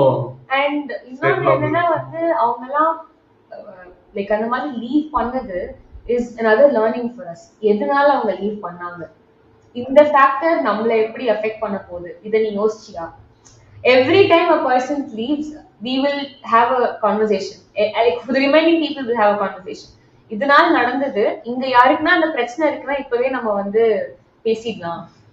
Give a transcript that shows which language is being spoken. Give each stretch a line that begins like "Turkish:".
Tamil: அவங்க அந்த மாதிரி லீவ் பண்ணது is
English: another learning for us.
Tamil: எதனால அவங்க லீவ் பண்ணாங்க, இந்த ஃபேக்டர் நம்மளை எப்படி அஃபெக்ட் பண்ண போகுது, இதை நீ யோசிச்சியா?
English: Every time a person leaves, we will have a conversation. Like, for the remaining people will have a conversation.
Tamil: இதனால் நடந்தது, இங்க யாருக்குன்னா அந்த பிரச்சனை இருக்குன்னா இப்பவே நம்ம வந்து பேசிடலாம்.